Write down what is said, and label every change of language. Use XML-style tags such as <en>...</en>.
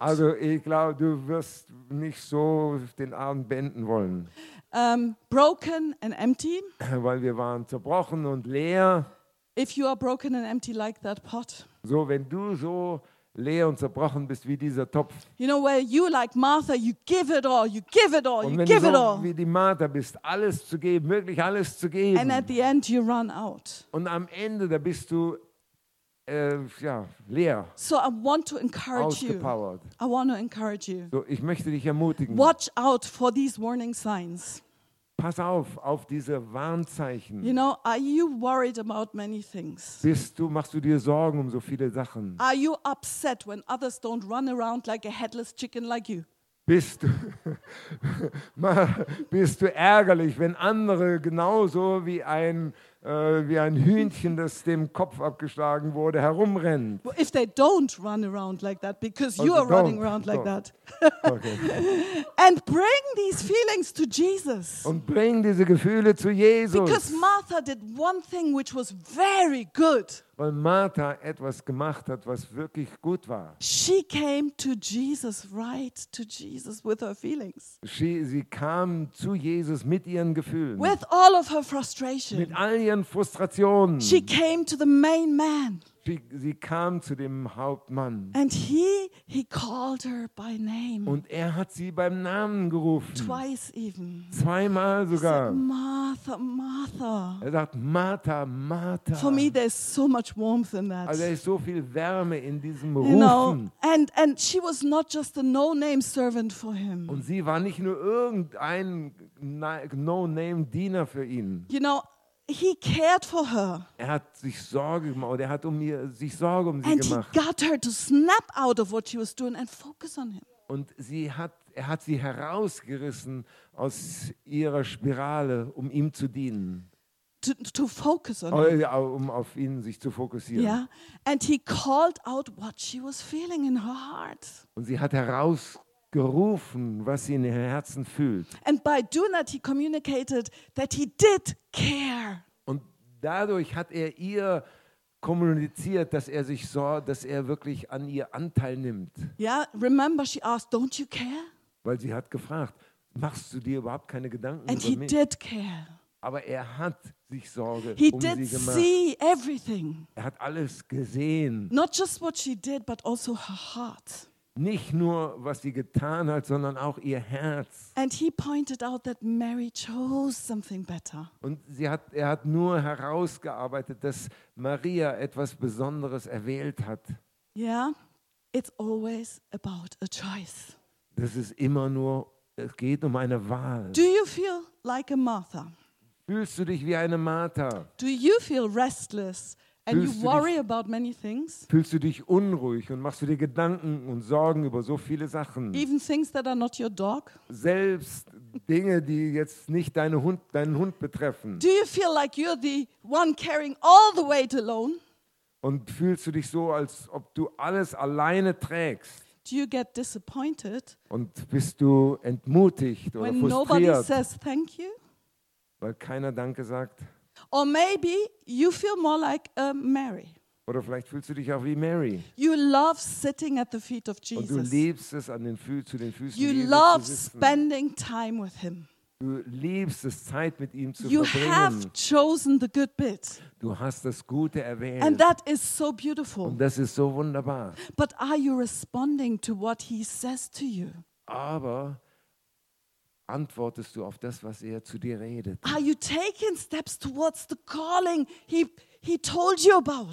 <de>Also ich glaube, du wirst nicht so den Abend beenden wollen.</de> <en>Broken and empty.</en> <de>Weil wir waren zerbrochen und leer.</de> <en>If you are broken and empty like that pot.</en> <de>So, wenn du so leer und zerbrochen bist wie dieser Topf.</de> <en>You know, where you like Martha, you give it all, you give it all, you give it all.</en> <de>Und wenn du so wie die Martha bist, alles zu geben, wirklich alles zu geben.</de> <en>And at the end you run out.</en> <de>Und am Ende, da bist du leer.</de> <en>So I want to encourage you.</en> <de>Ausgepowert.</de> <en>I want to encourage you.</en> <de>So, ich möchte dich ermutigen.</de> <en>Watch out for these warning signs.</en> <de>Pass auf diese Warnzeichen.</de> <en>You know, are you worried about many things?</en> <de>Machst du dir Sorgen um so viele Sachen?</de> <en>Are you upset when others don't run around like a headless chicken like you?</en> <de>Bist du ärgerlich, wenn andere genauso wie ein Hühnchen, das dem Kopf abgeschlagen wurde, herumrennen?</de> <en>Well, if they don't run around like that, because you are running around like that. Okay. And bring these feelings to Jesus.</en> <de>Und bring diese Gefühle zu Jesus.</de> <en>Because Martha did one thing which was very good.</en> <de>Weil Martha etwas gemacht hat, was wirklich gut war.</de> <en>She came to Jesus, right to Jesus with her feelings.</en> <de>Sie kam zu Jesus mit ihren Gefühlen.</de> <en>With all of her frustration.</en> <de>Mit all ihren Frustrationen.</de> <en>She came to the main man.</en> <de>Sie kam zu dem Hauptmann.</de> <en>And he called her by name.</en> <de>Und er hat sie beim Namen gerufen.</de> <en>Twice even.</en> <de>Zweimal sogar.</de> <en>He said, Martha, Martha.</en> <de>Er sagt, Martha, Martha.</de> <en>For me there's so much warmth in that.</en> <de>Also, da ist so viel Wärme in diesem</de> <en>you</en> <de>Rufen.</de> <en>Know? And she was not just a no-name servant for him.</en> <de>Und sie war nicht nur irgendein no-name Diener für ihn.</de> <en>You know, He cared for her.</en> <de>Er hat sich Sorge gemacht. Er hat sich Sorge um sie</de> <en>and</en> <de>gemacht.</de> <en>And he got her to snap out of what she was doing and focus on him.</en> <de>Und er hat sie herausgerissen aus ihrer Spirale, um ihm zu dienen.</de> <en>To focus on</en> <de>um auf ihn sich zu fokussieren.</de> <en>Yeah. And he called out what she was feeling in her heart.</en> <de>Und sie hat herausgerufen, was sie in ihrem Herzen fühlt.</de> <en>And by doing that he communicated that he did care.</en> <de>Und dadurch hat er ihr kommuniziert, dass er sich sorgt, dass er wirklich an ihr Anteil nimmt.</de> <en>Yeah, remember she asked, don't you care?</en> <de>Weil sie hat gefragt, machst du dir überhaupt keine Gedanken</de> <en>and</en> <de>über mich?</de> <en>And he did care.</en> <de>Aber er hat sich Sorge</de> <en>he</en> <de>um sie gemacht.</de> <en>He did see everything.</en> <de>Er hat alles gesehen.</de> <en>Not just what she did, but also her heart.</en> <de>Nicht nur was sie getan hat, sondern auch ihr Herz.</de> <en>And he pointed out that Mary chose something better.</en> <de>Und er hat nur herausgearbeitet, dass Maria etwas Besonderes erwählt hat.</de> <en>Yeah, it's always about a choice.</en> <de>Das ist immer nur, es geht um eine Wahl.</de> <en>Do you feel like a Martha?</en> <de>Fühlst du dich wie eine Martha?</de> <en>Do you feel restless and you worry about many things?</en> <de>Fühlst du dich unruhig und machst du dir Gedanken und Sorgen über so viele Sachen?</de> <en>Even things that are not your dog?</en> <de>Selbst Dinge, die jetzt nicht deinen Hund betreffen.</de> <en>Do you feel like you're the one carrying all the weight alone?</en> <de>Und fühlst du dich so, als ob du alles alleine trägst?</de> <en>Do you get disappointed?</en> <de>Und bist du entmutigt oder</de> <en>when</en> <de>frustriert?</de> <en>When nobody says thank you?</en> <de>Weil keiner Danke sagt.</de> <en>Or maybe you feel more like Mary.</en> <de>Oder vielleicht fühlst du dich auch wie Mary.</de> <en>You love sitting at the feet of Jesus.</en> <de>Und du liebst es, zu den Füßen</de> <en>you</en> <de>Jesus</de> <en>love</en> <de>zu sitzen.</de> <en>Spending time with him.</en> <de>Du liebst es, Zeit mit ihm zu</de> <en>you</en> <de>verbringen.</de> <en>Have chosen the good bit.</en> <de>Du hast das Gute erwählt.</de> <en>And that is so beautiful.</en> <de>Und das ist so wunderbar.</de> <en>But are you responding to what he says to you?</en> <de>Aber antwortest du auf das, was er zu dir redet?</de> <en>Are you taking steps towards the calling he told you about?</en>